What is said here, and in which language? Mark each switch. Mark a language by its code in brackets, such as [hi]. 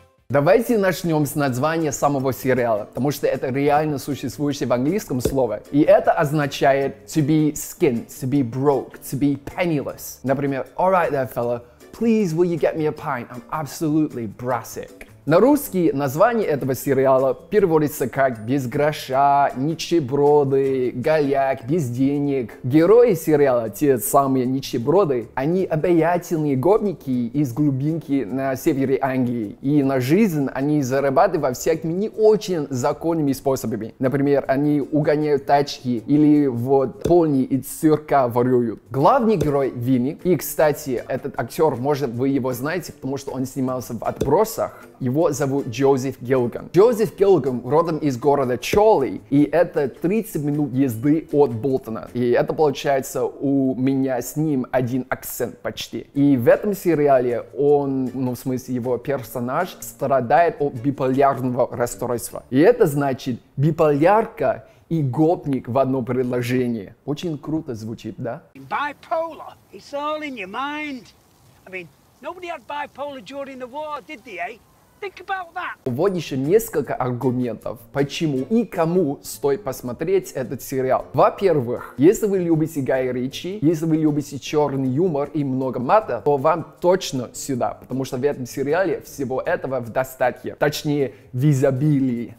[ru] Давайте начнем с названия самого сериала, потому что это реально существующее в английском слово. И это означает [en] to be skint, to be broke, to be penniless. [ru] Например, [en] alright there fella, please will you get me a pint, I'm absolutely brassic. [ru] На русский название этого сериала переводится как «без гроша», «нищеброды», «голяк», «без денег». Герои сериала, те самые нищеброды, они обаятельные гопники из глубинки на севере Англии. И на жизнь они зарабатывают всякими не очень законными способами. Например, они угоняют тачки или вот пони из цирка воруют. Главный герой Винни, и, кстати, этот актер, может, вы его знаете, потому что он снимался в «Отбросах», его зовут Джозеф Гилган. Джозеф Гилган родом из города Чоли, и это 30 минут езды от Болтона. И это получается у меня с ним один акцент почти. И в этом сериале он, ну в смысле его персонаж, страдает от биполярного расстройства. И это значит биполярка и гопник в одно предложение. Очень круто звучит, да? [en] Bipolar, it's all in your mind. I mean, nobody had bipolar during the war, did they, eh? Think about that. [ru] Вот еще несколько аргументов, почему и кому стоит посмотреть этот сериал. Во-первых, если вы любите Гая Ричи, если вы любите черный юмор и много мата, то вам точно сюда, потому что в этом сериале всего этого в достатке, точнее в изобилии.